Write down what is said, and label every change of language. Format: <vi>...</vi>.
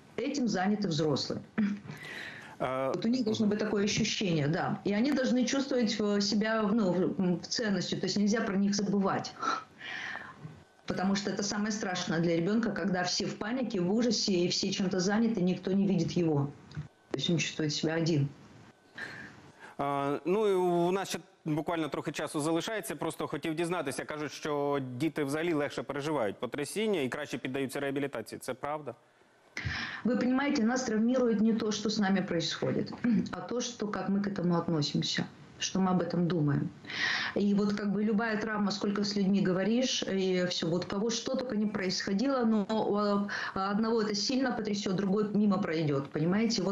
<ru>Этим заняты взрослые. Вот у них должно быть такое ощущение, да. И они должны чувствовать себя, ну, ценностью, то есть нельзя про них забывать. Потому что это самое страшное для ребенка, когда все в панике, в ужасе, и все чем-то заняты, никто не видит его. То есть он чувствует себя один.</ru> <uk>Ну, і у нас ще буквально трохи часу залишається. Просто хотів дізнатися. Кажуть, що діти взагалі легше переживають потрясіння і краще піддаються реабілітації. Це правда?</uk> <ru>Вы понимаете, нас травмирует не то, что с нами происходит, а то, что как мы к этому относимся, что мы об этом думаем. И вот как бы любая травма, сколько с людьми говоришь, и все, вот кого что только не происходило, но одного это сильно потрясет, другой мимо пройдет, понимаете?</ru>